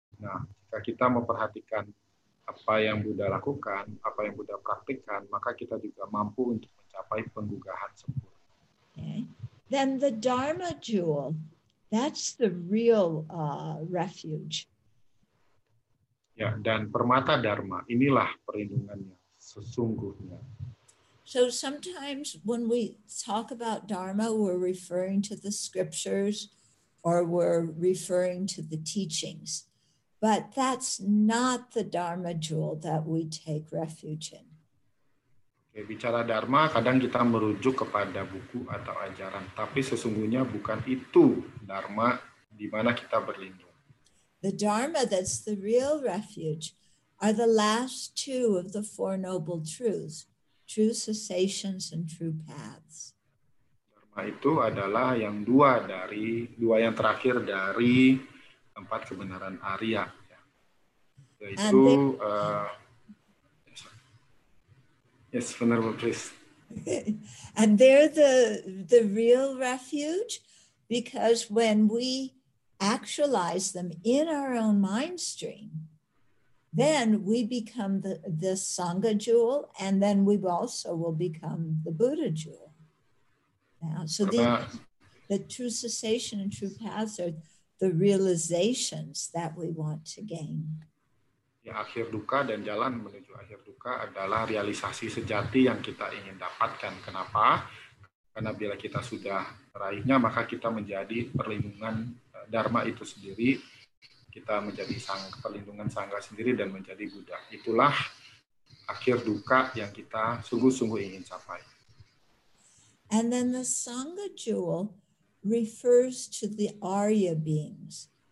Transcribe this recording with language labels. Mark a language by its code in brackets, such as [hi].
[id] Nah, jika kita memperhatikan apa yang Buddha lakukan, apa yang Buddha praktikkan, maka kita juga mampu untuk mencapai penggugahan sempurna. [en] Okay. Then the Dharma jewel, that's the real refuge. [id] Ya, dan permata Dharma, inilah perlindungannya sesungguhnya. [en] So sometimes when we talk about Dharma, we're referring to the scriptures or we're referring to the teachings. But that's not the Dharma jewel that we take refuge in. [id] Okay, bicara Dharma, kadang kita merujuk kepada buku atau ajaran, tapi sesungguhnya bukan itu Dharma di mana kita berlindung. [en] The Dharma that's the real refuge are the last two of the Four Noble Truths, true cessations and true paths. [id] Dharma itu adalah yang dua dari, dua yang terakhir dari empat kebenaran Arya, yaitu [en] yes, Venerable, please. And they're the real refuge, because when we actualize them in our own mind stream, then we become the Sangha jewel, and then we also will become the Buddha jewel. Now, so the true cessation and true paths are the realizations that we want to gain. [id] Ya, akhir duka dan jalan menuju akhir duka adalah realisasi sejati yang kita ingin dapatkan. Kenapa? Karena bila kita sudah meraihnya, maka kita menjadi perlindungan Dharma itu sendiri, kita menjadi perlindungan Sangha sendiri, dan menjadi Buddha. Itulah akhir duka yang kita sungguh-sungguh ingin capai. [en] And then the Sangha jewel refers to the Arya beings.